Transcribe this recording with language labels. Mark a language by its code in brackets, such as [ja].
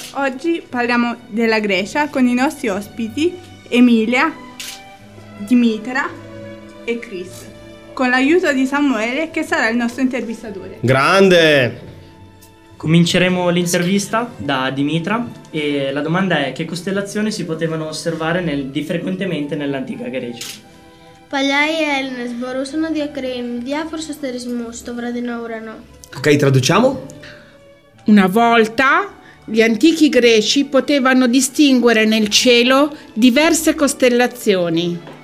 [it] Oggi parliamo della Grecia con i nostri ospiti Emilia, Dimitra e Chris, con l'aiuto di Samuele che sarà il nostro intervistatore. Grande! Cominceremo l'intervista da Dimitra e la domanda è: che costellazioni si potevano osservare di frequentemente nell'antica Grecia? [el] Παλιά η Έλληνες μπορούσαν να διακρίνουν διάφορους αστερισμούς στο βραδινό ουρανό. [it] Ok, traduciamo. Una volta gli antichi greci potevano distinguere nel cielo diverse costellazioni.